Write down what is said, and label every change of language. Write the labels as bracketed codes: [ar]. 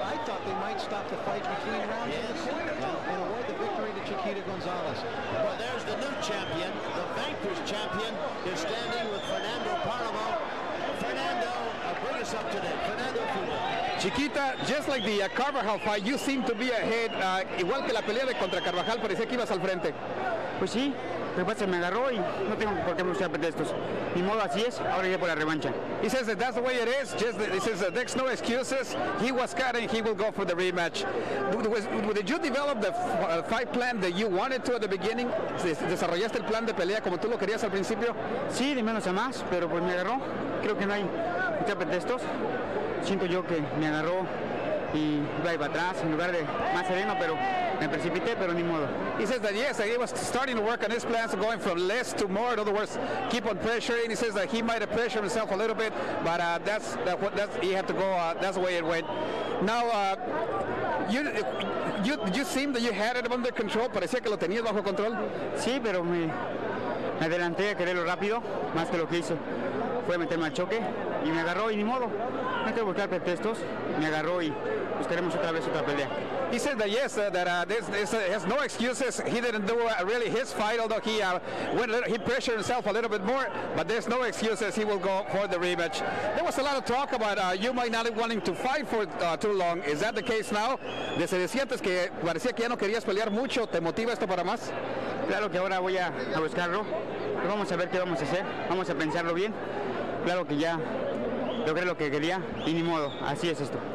[en] I thought they might stop the fight between rounds and award the victory to Chiquita Gonzalez. Well, there's the new champion, the vanquished champion, is standing with Fernando Paramo. Fernando, bring us up today. Fernando Cuba. Chiquita, just like the Carvajal fight, you seem to be ahead. [es] Igual que la pelea de contra Carvajal, parecía que ibas al frente. Pues sí, pero pues se me agarró y no tengo por qué luchar de estos. Mi modo así es, ahora iré por la revancha. [en] He says that that's the way it is. Just that, he says that there's no excuses. He was caught and he will go for the rematch. Did you develop the fight plan that you wanted to at the beginning? [es] ¿Desarrollaste el plan de pelea como tú lo querías al principio? Sí, de menos a más, pero pues me agarró. Creo que no hay mucha de estos. Siento yo que me agarró y iba a ir atrás en lugar de más sereno, pero me precipité, pero ni modo. [en] He says that yes, that he was starting to work on his plans, going from less to more. In other words, keep on pressuring. He says that he might have pressured himself a little bit, but that's he had to go. That's the way it went. Now, you seem that you had it under control. [es] Parecía que lo tenías bajo control. Sí, pero me adelanté a quererlo rápido, más que lo que hice. Fue meterme al choque y me agarró y ni modo. No tengo que buscar pretextos. Me agarró y buscaremos otra vez otra pelea. [en] He said that yes, that this has no excuses. He didn't do really his fight, although he pressured himself a little bit more. But there's no excuses. He will go for the rematch. There was a lot of talk about you might not be wanting to fight for too long. Is that the case now? [es] Desde sientes que parecía que ya no querías pelear mucho. ¿Te motiva esto para más? Claro que ahora voy a buscarlo. Pero vamos a ver qué vamos a hacer. Vamos a pensarlo bien. Claro que ya logré lo que quería y ni modo, así es esto.